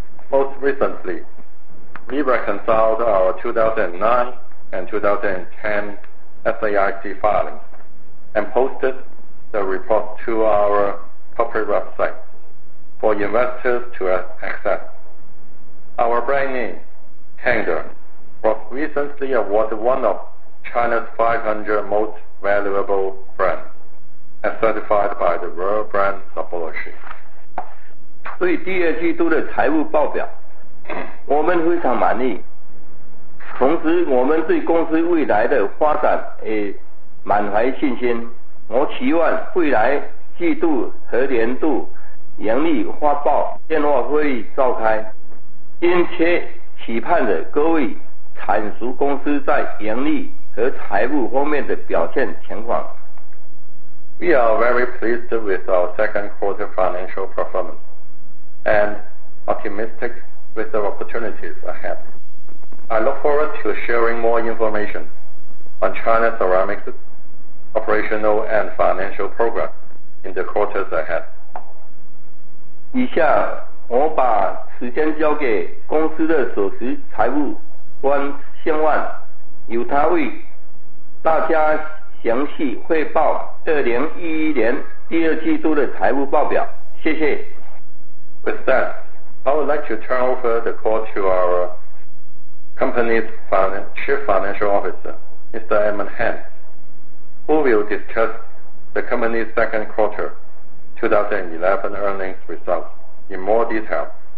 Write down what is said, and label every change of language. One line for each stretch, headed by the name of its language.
English: Most recently,we reconciled our 2009 and 2010 SAIC filings and posted the report to our corporate website for investors to access. Our brand name, Tiger, was recently awarded one of China's 500 most valuable brands, as certified by the World Brand Supply.
Chinese: 对第二季度的财务报表，我们非常满意。同时，我们对公司未来的发展也满怀信心。我期望未来季度和年度盈利发报电话会议召开，并且期盼着各位阐述公司在盈利和财务方面的表现情况。
English: We are very pleased with our second quarter financial performance and optimistic with the opportunities ahead. I look forward to sharing more information on China Ceramics' operational and financial progress in the quarters ahead.
Chinese: 以下我把时间交给公司的首席财务官向万，由他为大家详细汇报2011年第二季度的财务报表。谢谢。
English: With that, I would like to turn over the call to our company's Chief Financial Officer, Mr. Edmund Han, who will discuss the company's second quarter 2011 earnings results in more detail.